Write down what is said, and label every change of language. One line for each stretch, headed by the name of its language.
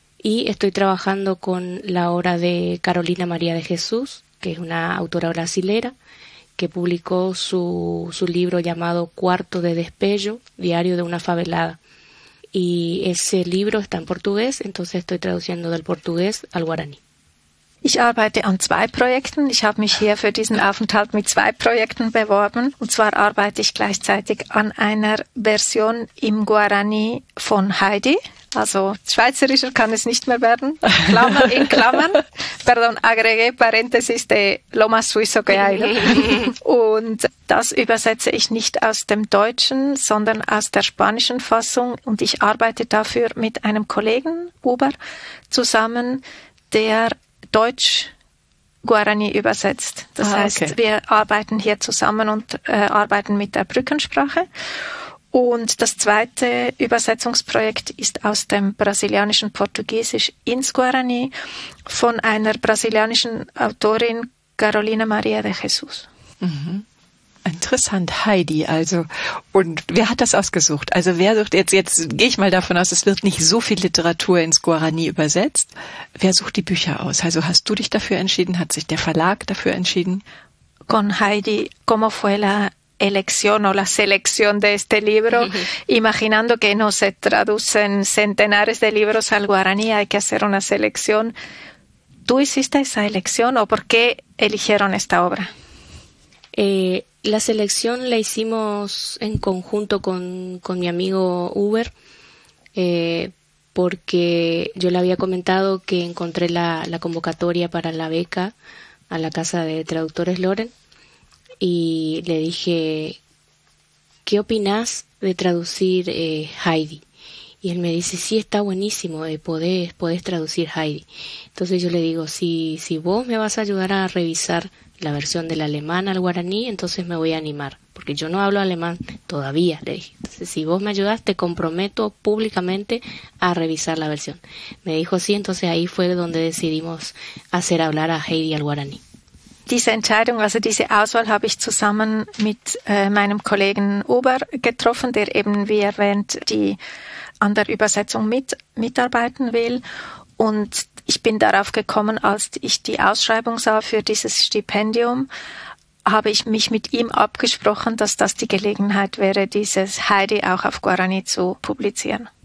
Spanish: Y estoy trabajando con la obra de Carolina María de Jesús, que es una autora brasilera, que publicó su libro llamado Cuarto de Despello, Diario de una Favelada. Y ese libro está en portugués, entonces estoy traduciendo del portugués al guaraní.
German: Ich arbeite an zwei Projekten. Ich habe mich hier für diesen Aufenthalt mit zwei Projekten beworben. Und zwar arbeite ich gleichzeitig an einer Version im Guarani von Heidi. Also schweizerischer kann es nicht mehr werden. Klammern in Klammern.
Spanish: Pardon, agregué paréntesis de lo más suizo que hay.
German: Und das übersetze ich nicht aus dem Deutschen, sondern aus der spanischen Fassung. Und ich arbeite dafür mit einem Kollegen, Uber, zusammen, der Deutsch Guarani übersetzt. Das heißt, wir arbeiten hier zusammen und arbeiten mit der Brückensprache. Und das zweite Übersetzungsprojekt ist aus dem brasilianischen Portugiesisch ins Guarani von einer brasilianischen Autorin, Carolina Maria de Jesus. Mhm. Interessant, Heidi. Also, und wer hat das ausgesucht? Also, wer sucht jetzt gehe ich mal davon aus, es wird nicht so viel Literatur ins Guarani übersetzt. Wer sucht die Bücher aus? Also, hast du dich dafür entschieden? Hat sich der Verlag dafür entschieden?
Spanish: Con Heidi, ¿cómo fue la elección o la selección de este libro? Imaginando que no se traducen centenares de libros al Guarani, hay que hacer una selección. ¿Tú hiciste esa elección o por qué eligieron esta obra? La selección la hicimos en conjunto con mi amigo Uber, porque yo le había comentado que encontré la convocatoria para la beca a la Casa de Traductores Loren y le dije, ¿qué opinás de traducir Heidi? Y él me dice, sí, está buenísimo, podés traducir Heidi. Entonces yo le digo, si vos me vas a ayudar a revisar la versión del alemán al guaraní, entonces me voy a animar, porque yo no hablo alemán todavía, le dije. Entonces, si vos me ayudas, te comprometo públicamente a revisar la versión. Me dijo sí, entonces ahí fue donde decidimos hacer hablar a Heidi al guaraní.
German: Diese Entscheidung, also diese Auswahl, habe ich zusammen mit meinem Kollegen Uber getroffen, der eben, wie erwähnt, die an der Übersetzung mitarbeiten will. Und ich bin darauf gekommen, als ich die Ausschreibung sah für dieses Stipendium, habe ich mich mit ihm abgesprochen, dass das die Gelegenheit wäre, dieses Heidi auch auf Guarani zu publizieren.